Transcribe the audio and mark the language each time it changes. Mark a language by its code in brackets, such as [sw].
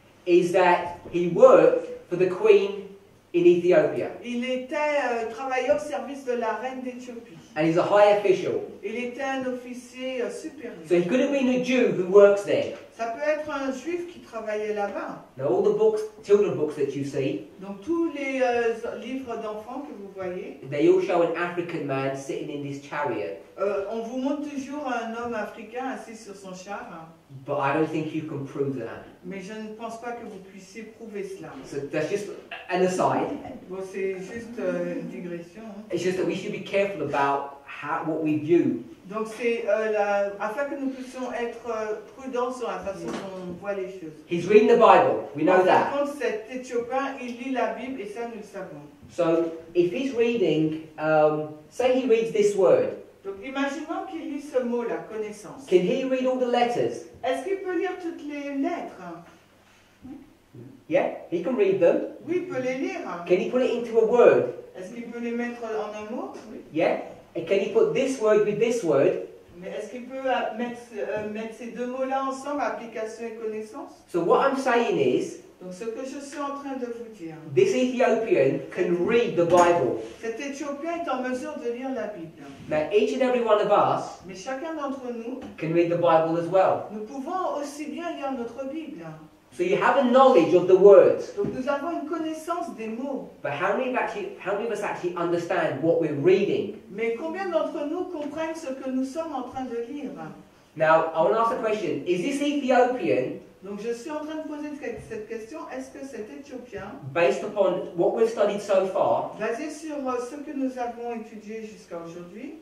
[en] Is that he worked for the queen in Ethiopia. [fr] Il était travaillait au service de la reine d'Éthiopie. [en] And he's a high official. [fr] Il était un officier supérieur. [en] So he could have been a Jew who works there. [fr] Ça peut être un juif qui travaillait là-bas. [en] Now all the books, children books that you see. [fr] Donc tous les livres d'enfants que vous voyez. [en] They all show an African man sitting in this chariot. [fr] On vous montre toujours un homme africain assis sur son char. Hein. [en] But I don't think you can prove that. [fr] Mais je ne pense pas que vous puissiez prouver cela. [en] So that's just an aside. [fr] Bon, c'est juste une digression. Hein. [en] It's just that we should be careful about what we view. [fr] Donc c'est afin que nous puissions être prudents sur la façon dont on voit les choses. [en] He's reading the Bible. We know that. [fr] Par contre, cet Éthiopien, il lit la Bible et ça nous le savons. [en] So if he's reading, say he reads this word. [fr] Donc imaginons qu'il lit ce mot, la connaissance. [en] Can he read all the letters? [fr] Est-ce qu'il peut lire toutes les lettres? [en] Yeah, he can read them. [fr] Oui, il peut les lire. [en] Can he put it into a word? [fr] Est-ce qu'il peut les mettre en un mot? Oui. Yeah. [en] And can he put this word with this word? [fr] Mais est-ce qu'il peut mettre ces deux mots-là ensemble, application et connaissance? [en] So what I'm saying is. [fr] Donc ce que je suis en train de vous dire. [en] This Ethiopian can read the Bible. [fr] Cet Éthiopien est en mesure de lire la Bible. [en] Now each and every one of us. [fr] Mais chacun d'entre nous. [en] Can read the Bible as well. [fr] Nous pouvons aussi bien lire notre Bible. [en] So you have a knowledge of the words. [fr] Donc nous avons une connaissance des mots. [en] But how many of us actually understand what we're reading? [fr] Mais combien d'entre nous comprennent ce que nous sommes en train de lire? [en] Now I want to ask a question. Is this Ethiopian? [fr] Donc je suis en train de poser cette question. Est-ce que cet Éthiopien? [en] Based upon what we've studied so far. [fr] Basé sur ce que nous avons étudié jusqu'à aujourd'hui.